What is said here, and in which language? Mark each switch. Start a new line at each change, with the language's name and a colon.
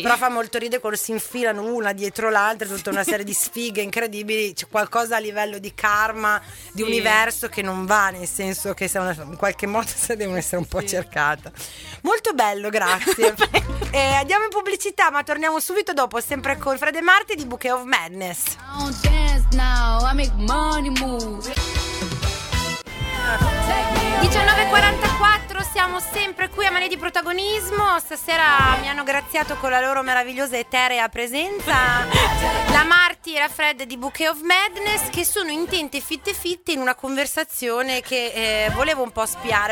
Italian: però fa molto ridere quando si infilano una dietro l'altra tutta una serie di sfighe incredibili, c'è qualcosa a livello di karma, sì, di universo che non va, nel senso che in qualche modo se devono essere un po', sì, cercata. Molto bello, grazie. E andiamo in pubblicità, ma torniamo subito dopo, sempre con Fred e Marti di Bouquet of Madness.
English: I don't dance now, I make money more.
Italian: 19.44, siamo sempre qui a Mani di Protagonismo. Stasera mi hanno graziato con la loro meravigliosa eterea presenza la Marti e la Fred di Bouquet of Madness, che sono intente fitte fitte in una conversazione che volevo un po' spiare.